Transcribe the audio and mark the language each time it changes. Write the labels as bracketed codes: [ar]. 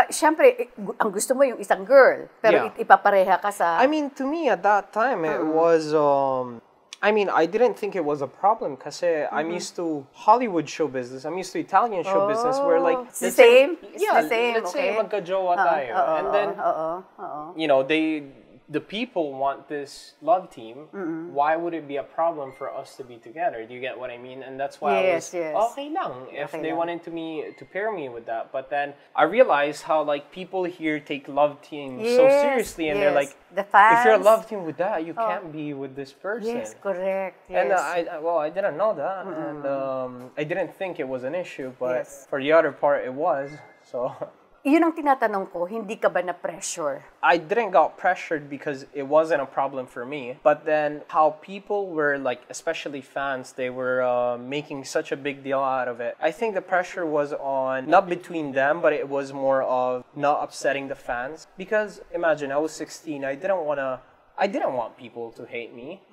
[tl] Siyempre, ang gusto mo yung isang girl, pero [en] yeah. [tl] ipapareha ka sa... [en] I mean, to me, at that time, it was... I mean, I didn't think it was a problem [tl] kasi [en] I'm used to Hollywood show business. I'm used to Italian show business where like... It's the same? Yeah, it's the same. Let's okay. say [tl] magka-jowa tayo. [en] And then, you know, the people want this love team. Mm-hmm. Why would it be a problem for us to be together? Do you get what I mean? And that's why [tl] okay lang [en] if okay they [tl] lang. [en] Wanted to me to pair me with that. But then I realized how like people here take love teams so seriously, and they're like, the fans. If you're a love team with that, you can't be with this person. Yes, correct. Yes. And I didn't know that, mm-hmm. and I didn't think it was an issue. But for the other part, it was so. [tl] Iyon ang tinatanong ko, hindi ka ba na pressure? [en] I didn't got pressured because it wasn't a problem for me. But then how people were like, especially fans, they were making such a big deal out of it. I think the pressure was on, not between them, but it was more of not upsetting the fans. Because imagine, I was 16, I didn't want people to hate me.